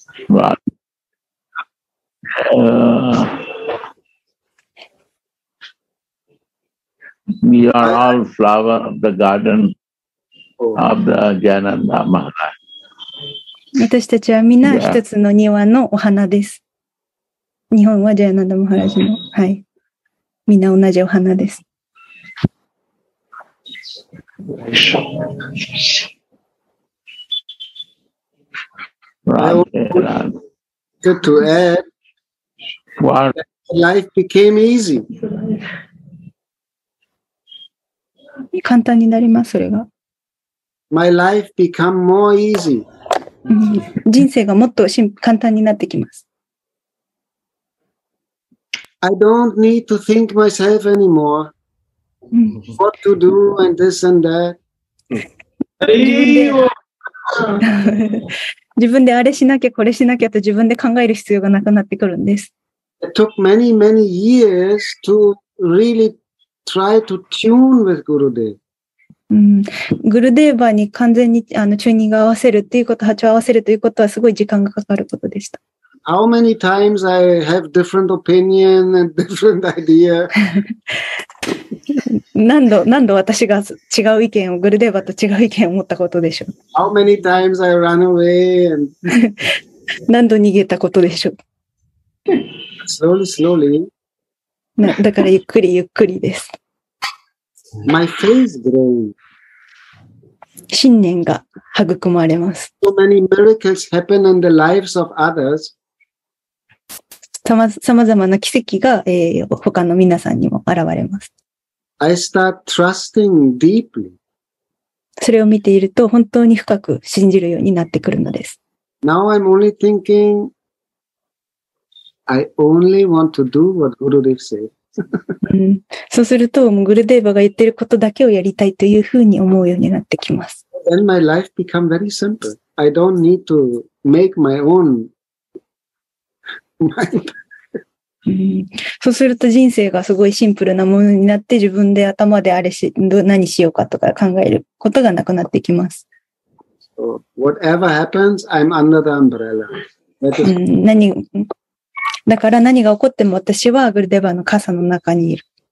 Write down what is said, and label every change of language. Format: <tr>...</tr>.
<en>But, we are all flower of the garden of the Jnananda Maharaj.</en> <ja>私たちはみんな一つの庭のお花です。日本はジャヤナダマハラジの、はい、みんな同じお花です。</ja> <en>I want to add that life became easy.</en> <ja>簡単になります。それが</ja> <en>My life become more easy.</en> <ja>人生がもっと簡単になってきます。</ja> <en>I don't need to think myself anymore. What to do and this and that.</en> <ja>自分であれしなきゃこれしなきゃと自分で考える必要がなくなってくるんです。</ja> <en>It took many, many years to really try to tune with Gurudev.</en> <ja>Gurudevに完全にチューニング合わせるっていうこと、波長合わせるということはすごい時間がかかることでした。</ja> <en>How many times I have different opinion and different idea?</en> <ja>何度私が違う意見をグルデーバと違う意見を持ったことでしょう。</ja> <en>How many times I run away and</en> <ja>何度逃げたことでしょう。</ja> <en>Slowly, slowly.</en> <ja>だからゆっくりゆっくりです。</ja> <en>My faith grows.</en> <ja>信念が育まれます。</ja> <en>So many miracles happen in the lives of others.</en> <ja>さまざまな奇跡が、他の皆さんにも現れます。</ja> <en>I start trusting deeply.</en> <ja>それを見ていると本当に深く信じるようになってくるのです。</ja> <en>Now I'm only thinking, I only want to do what Gurudev said.</en> <ja>そうすると、グルデーバが言ってることだけをやりたいというふうに思うようになってきます。</ja> <en>Then my life become very simple. I don't need to make my own mind.</en> <ja>そうすると人生がすごいシンプルなものになって自分で頭であれし何しようかとか考えることがなくなってきます。</ja> <en>So, whatever happens, I'm under the umbrella.</en> <ja>だから何が起こっても私はグルデバの傘の中にいる。</ja>